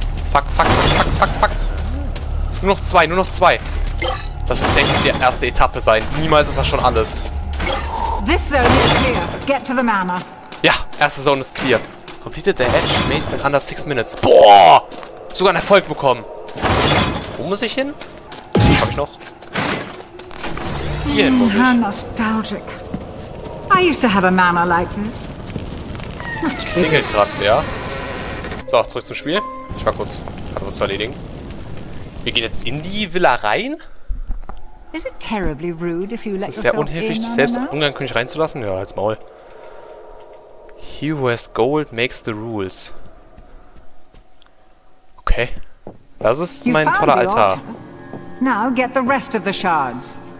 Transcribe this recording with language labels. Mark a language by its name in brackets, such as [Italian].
[German] Fuck, fuck, fuck, fuck, fuck. Nur noch zwei, nur noch zwei. Das wird sicherlich die erste Etappe sein. Niemals ist das schon alles. [English] This zone is clear. Get to the manor. [German] Ja, erste Zone ist clear. [English] Completed the edge maze in under 6 minutes. Boah! [German] Sogar einen Erfolg bekommen. Wo muss ich hin? Hab ich noch? Hier hin muss ich. [English] How nostalgic. I used to have a manor like this. [German] Klingelt gerade, ja. So, zurück zum Spiel. Ich war kurz, hatte was zu erledigen. Wir gehen jetzt in die Villa rein. [English] Is it terribly rude if you let [German] es ist sehr unhöflich, dich selbst unangekündigt reinzulassen. Ja, halt's Maul. [English] He who has gold makes the rules. [German] Okay. Das ist [English] you [German] mein toller Altar. [English] Now get the rest of the shards.